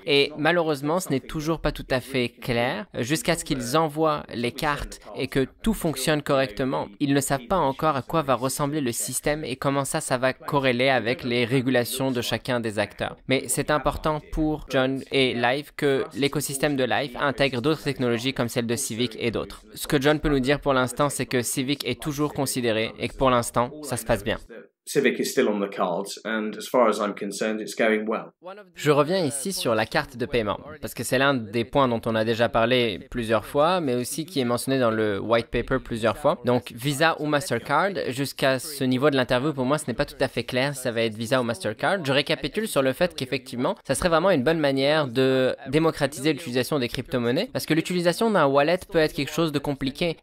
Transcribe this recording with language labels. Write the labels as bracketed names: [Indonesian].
[French] Et malheureusement, ce n'est toujours pas tout à fait clair. Jusqu'à ce qu'ils envoient les cartes et que tout fonctionne correctement, ils ne savent pas encore à quoi va ressembler le système et comment ça va corréler avec les régulations de chacun des acteurs. Mais c'est important pour John et Life que l'écosystème de Life intègre d'autres technologies comme celle de Civic et d'autres. Ce que John peut nous dire pour l'instant, c'est que Civic est toujours considéré et que pour l'instant, ça se passe bien. [English] Civic is still on the cards, and as far as I'm concerned, it's going well. [French] Je reviens ici sur la carte de paiement, parce que c'est l'un des points dont on a déjà parlé plusieurs fois, mais aussi qui est mentionné dans le white paper plusieurs fois. Donc Visa ou Mastercard, jusqu'à ce niveau de l'interview, pour moi, ce n'est pas tout à fait clair si ça va être Visa ou Mastercard. Je récapitule sur le fait qu'effectivement, ça serait vraiment une bonne manière de démocratiser l'utilisation des crypto-monnaies, parce que l'utilisation d'un wallet peut être quelque chose de compliqué.